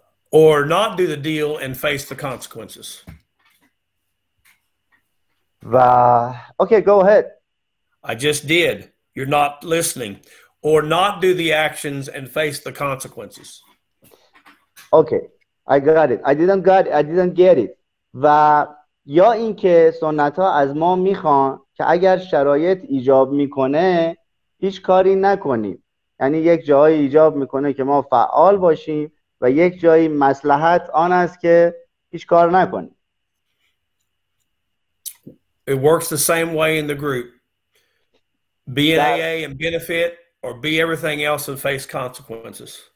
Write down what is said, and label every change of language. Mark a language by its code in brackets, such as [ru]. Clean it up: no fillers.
[en] Or not do the deal and face the consequences. Okay, go ahead. I just did. You're not listening, or not do the actions and face the consequences. Okay, I got it. I didn't get it. [fa] و یا اینکه سنت ها از ما میخوان که اگر شرایط ایجاب میکنه هیچ کاری نکنیم. یعنی یک جایی ایجاب میکنه که ما فعال باشیم و یک جایی مصلحت آن است که هیچ کار نکنیم. [en] It works the same way in the group. Be in AA and benefit, or be everything else and face consequences.